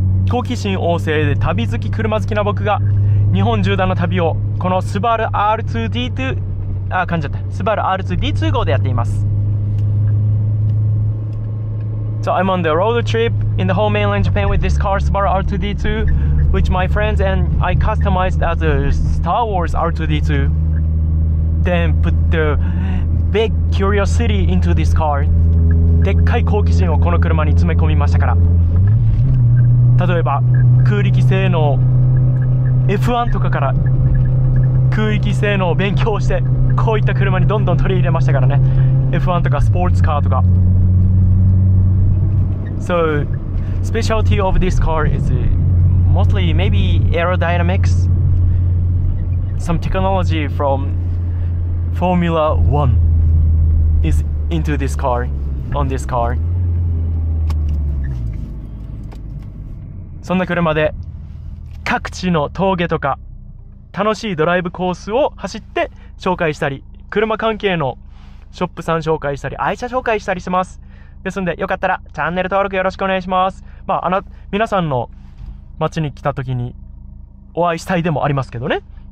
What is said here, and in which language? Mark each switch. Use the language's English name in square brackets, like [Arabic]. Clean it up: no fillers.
[Japanese] 好奇心旺盛で旅好き、車好きな僕が日本縦断の旅をこのスバル R2D2、噛んじゃった。スバル R2D2 号でやっています。 [English] So I'm on the road trip in the whole mainland Japan with this car, Subaru R2D2, which my friends and I customized as a Star Wars R2D2. Then put the big curiosity into this car. [Japanese] でっかい好奇心をこの車に詰め込みましたから。例えば、空力性能、F1 とかから空力性能を勉強して、こういった車にどんどん取り入れましたからね。 F1 とかスポーツカーとか。 [English] So, specialty of this car is mostly maybe aerodynamics, some technology from Formula One is into this car, on this car. [Japanese] そんな車で各地の峠とか楽しいドライブコースを走って紹介したり、車関係のショップさん紹介したり、愛車紹介したりします。ですんで、よかったらチャンネル登録よろしくお願いします。まあ、皆さんの街に来た時にお会いしたいでもありますけどね。